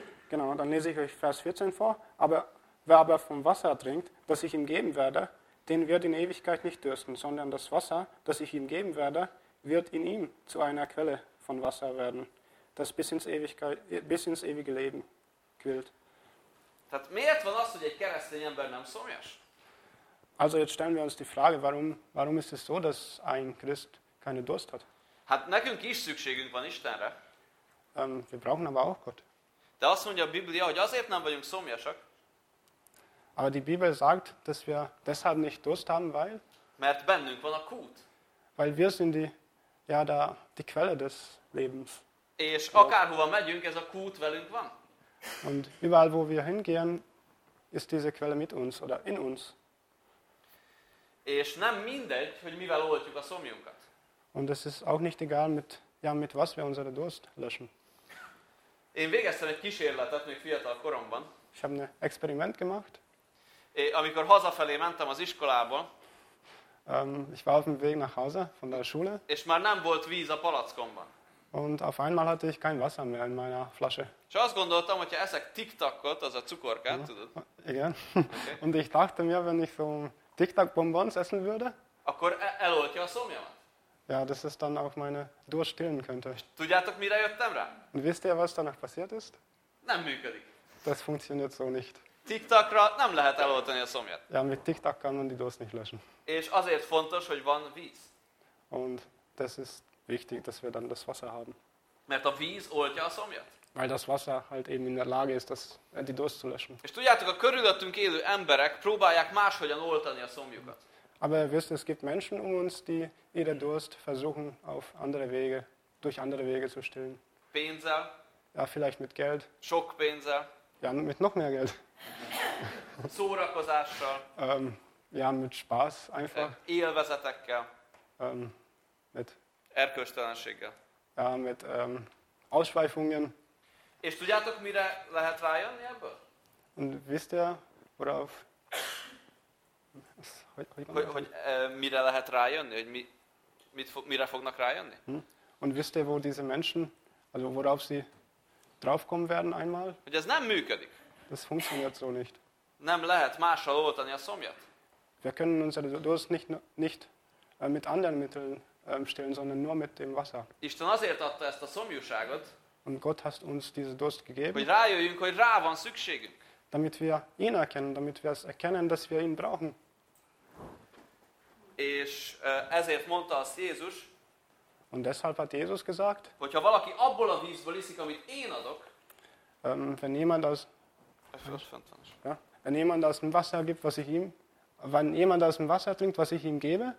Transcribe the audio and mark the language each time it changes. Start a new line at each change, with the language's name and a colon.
German: Genau, dann lese ich euch Vers 14 vor. Aber wer aber vom Wasser trinkt, das ich ihm geben werde, den wird in Ewigkeit nicht dürsten, sondern das Wasser, das ich ihm geben werde, wird in ihm zu einer Quelle von Wasser werden, das bis ins ewige Leben quillt.
Hungarian: Tehát miért van az, hogy egy keresztény ember nem szomjas?
German: Also jetzt stellen wir uns die Frage, warum ist es so, dass ein Christ keine Durst hat?
Hungarian: Hát nekünk is szükségünk van Istenre.
German: Wir brauchen aber auch Gott.
Hungarian: De azt mondja a Biblia, hogy azért nem vagyunk szomjasak.
German: Aber die Bibel sagt, dass wir deshalb nicht Durst haben, weil...
Hungarian: Mert bennünk van a kút.
German: Weil wir sind die Quelle des Lebens.
Hungarian: És akárhova megyünk, ez a kút velünk van.
German: Und überall, wo wir hingehen, ist diese Quelle mit uns oder in uns.
Hungarian: És nem mindegy, hogy mivel oltjuk a szomjunkat.
German: Und es ist auch nicht egal, mit was wir unsere Durst löschen.
Hungarian: Én végeztem egy kísérletet még fiatal koromban.
German: Ich habe ein Experiment gemacht.
Hungarian: Amikor hazafelé mentem az iskolából.
German: Ich war auf dem Weg nach Hause von der Schule.
Hungarian: És már nem volt víz a palackomban.
German: Und auf einmal hatte ich kein Wasser mehr in meiner Flasche.
Hungarian: És azt gondoltam, hogyha eszek tiktakot, az a cukorkát, tudod? Igen. Okay.
German: Und ich dachte mir, wenn ich so tiktakbonbons essen würde,
Hungarian: akkor eloltja a szomjamat.
German: Ja, das ist dann auch meine Durst stillen könnte.
Hungarian: Tudjátok, mire jöttem rá?
German: Und wisst ihr, was danach passiert ist?
Hungarian: Nem működik.
German: Das funktioniert so nicht.
Hungarian: Tiktakra nem lehet eloltani a szomjat.
German: Ja, mit tiktak kann man die Durst nicht löschen.
Hungarian: És azért fontos, hogy van víz.
German: Und das ist wichtig, dass wir dann das Wasser haben.
Hungarian: Mert a víz oltja a szomjat.
German: Weil das Wasser halt eben in der Lage ist, die Durst zu löschen.
Hungarian: És tudjátok, a körülöttünk élő emberek próbálják máshogyan oltani a szomjukat.
German: Aber ihr wisst, es gibt Menschen um uns, die ihre Durst versuchen, durch andere Wege zu stillen.
Hungarian: Pénzzel.
German: Ja, vielleicht mit Geld.
Hungarian: Sok pénzzel.
German: Ja, mit noch mehr Geld.
Hungarian: Szórakozással.
German: Mit Spaß einfach.
Hungarian: Élvezetekkel.
German: Mit
Hungarian: erkölcstelenséggel.
German: Ja, mit Ausschweifungen.
Hungarian: És tudjátok, mire lehet rájönni ebből?
German: Und wisst ihr, worauf?
Hungarian: Hogy mire lehet rájönni, hogy mire fognak rájönni? Hm?
German: Und wisst ihr, wo diese Menschen, also worauf sie draufkommen werden einmal?
Hungarian: Hogy ez nem működik.
German: Das funktioniert so nicht.
Hungarian: Nem lehet mással oltani a szomjat.
German: Wir können unsere Durst nicht mit anderen Mitteln stillen, sondern nur mit dem Wasser.
Hungarian: Isten azért adta ezt a szomjúságot.
German: Und Gott hat uns diese Durst gegeben.
Hungarian: Hogy rájöjjünk, hogy rá van szükségünk.
German: Damit wir ihn erkennen, damit wir es erkennen, dass wir ihn brauchen.
Hungarian: És ezért mondta azt Jézus.
German: Und deshalb hat Jesus gesagt.
Hungarian: Hogyha valaki abból a vízből iszik, amit én adok.
German: Wenn jemand aus Ja, wenn jemand aus dem Wasser gibt, was ich ihm, wenn jemand aus dem Wasser trinkt, was ich ihm gebe,